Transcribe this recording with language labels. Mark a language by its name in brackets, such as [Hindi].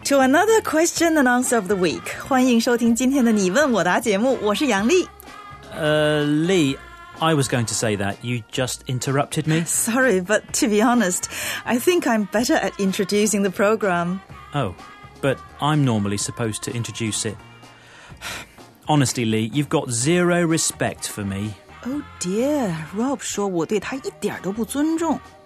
[English] To another question and answer of the week. [Chinese] 欢迎收听今天的你问我答节目，我是杨丽。 [English] Lee, I was going to say that. You just interrupted me. Sorry, but to be honest, I think I'm better at introducing the program. Oh, but I'm normally supposed to introduce it. Honestly, Lee, you've got zero respect for me. Oh dear, [Chinese] Rob 说我对他一点都不尊重。